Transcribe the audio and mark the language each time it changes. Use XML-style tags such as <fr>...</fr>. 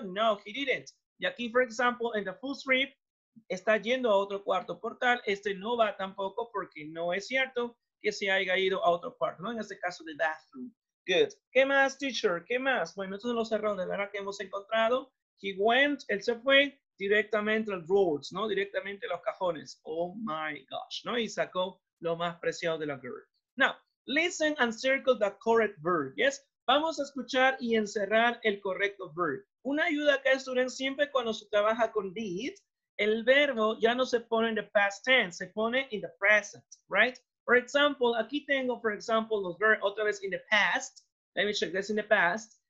<en>No, he didn't.</en> <es>Y aquí,</es> <en>for example, in the full strip,</en> <es>está yendo a otro cuarto por tal, este no va tampoco porque no es cierto que se haya ido a otro cuarto, ¿no? En este caso,</es> <en>the bathroom. Good.</en> <es>¿Qué más, teacher? ¿Qué más? Bueno, estos son los errores, ¿verdad? Que hemos encontrado.</es> <en>He went,</en> <es>él se fue directamente al drawers, ¿no? Directamente a los cajones.</es> <en>Oh, my gosh,</en> <es>¿no? Y sacó lo más preciado de la girl.</es> <en>Now, listen and circle the correct verb, yes?</en> <es>Vamos a escuchar y encerrar el correcto verb. Una ayuda que estudian siempre cuando se trabaja con did, el verbo ya no se pone en</es> <en>the past tense,</en> <es>se pone</es> <en>in the present, right? For example,</en> <es>aquí tengo,</es> <en>for example, los verbs</en> <es>otra vez</es> <en>in the past. Let me check this in the past.</en>